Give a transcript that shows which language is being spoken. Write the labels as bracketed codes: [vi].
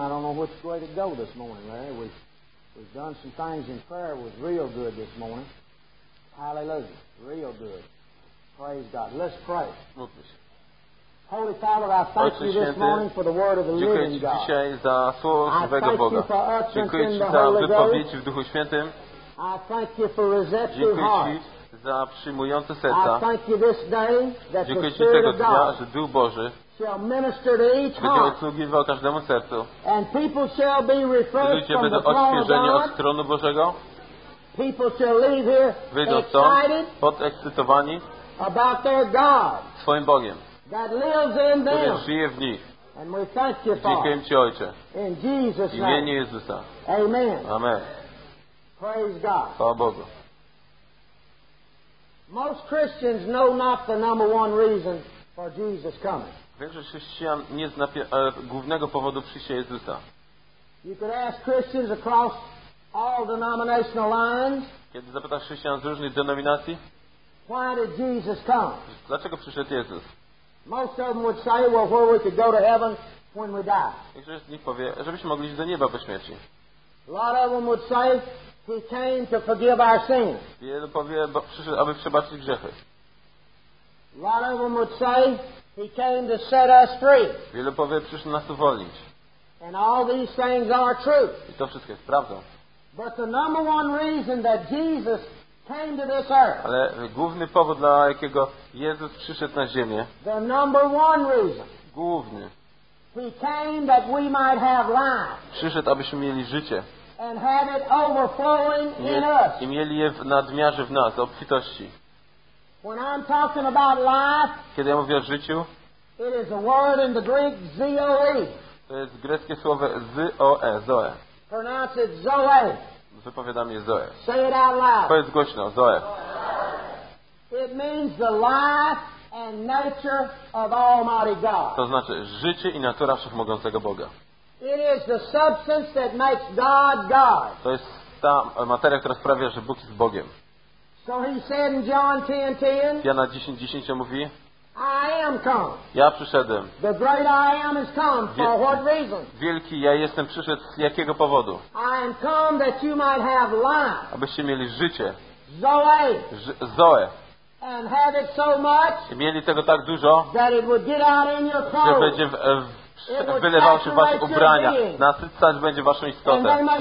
[en] I don't know which way to go this morning, Larry. We've done some things in prayer. It was real good this morning. Hallelujah. Real good. Praise God. Let's pray. Holy Father, I thank [pl] Ojcze [en] you this [pl] Święty, [en] morning for the word of the living God. [pl] Dzisiaj za słowo żywego Boga. Dziękuję Ci za wypowiedź w Duchu Świętym. [en] I thank you for receptive heart. [pl] Dziękuję Ci za przyjmujące serca. [en] I thank you this day that [pl] dziękuję [en] the Spirit [pl] tego [en] of [pl] dnia, [en] God [pl] Duch Boży [en] shall minister to each heart. [pl] Będzie obsługiwał każdemu sercu. [en] And people shall be refreshed. [pl] Ludzie będą odświeżeni od tronu Bożego. [en] People shall leave here [pl] wyjdą [en] excited [pl] podekscytowani [en] about their God [pl] swoim Bogiem, [en] that lives in them, [pl] który żyje w nich. [en] And we thank you, Father. [pl] Dziękujemy Ci, Ojcze. [en] In Jesus' name. [pl] W imieniu Jezusa. [en] Amen. [pl] Amen. [en] Praise God. [pl] Chwała Bogu. [en] Most Christians know not the number one reason for Jesus coming. [pl] Większość chrześcijan nie zna głównego powodu przyjścia Jezusa. [en] You could ask Christians across all denominational lines. [pl] Kiedy zapytasz chrześcijan z różnych denominacji? [en] Why did Jesus come? [pl] Dlaczego przyszedł Jezus? [en] Most of them would say, well, where we could go to heaven when we die. [pl] Większość z nich powie, żebyśmy mogli iść do nieba po śmierci. [en] A lot of them would say, He came to forgive our sins. [pl] Wielu powie, bo przyszedł, aby przebaczyć grzechy. [en] A lot of them would say, He came to set us free. [pl] Wielu powie, przyszedł nas uwolnić. [en] And all these things are true. [pl] I to wszystko jest prawdą. [en] But the number one reason that Jesus came to this earth. [pl] Ale główny powód, dla jakiego Jezus przyszedł na ziemię. [en] The number one reason. [pl] Główny. [en] He came that we might have life. [pl] Przyszedł, abyśmy mieli życie. [en] And have it overflowing in us. [pl] I mieli je w nadmiarze w nas, obfitości. [en] When I'm talking about life, [pl] kiedy ja mówię o życiu, [en] it is a word in the Greek zoe. [pl] To jest greckie słowo zoe, zoe. [en] Pronounce it zoe. [pl] Wypowiadam je zoe. [en] Say it out loud. [pl] Powiedz głośno, zoe. [en] It means the life and nature of Almighty God. [pl] To znaczy życie i natura wszechmogącego Boga. [en] It is the substance that makes God God. [pl] To jest ta materia, która sprawia, że Bóg jest Bogiem. [en] So he said in John 10:10. [pl] Jana 10:10 mówi. [en] I am come. [pl] Ja przyszedłem. [en] The great I am is come. For what reason? [pl] Wielki ja jestem przyszedł z jakiego powodu? [en] I am come that you might have life. [pl] Abyście mieli życie. [en] Zoe. [pl] Zoe. [en] And have it so much. [pl] I mieli tego tak dużo. [en] That it would get out in your clothes. [pl] Że będzie wylewał się w wasze ubrania. Nasycać będzie waszą istotę.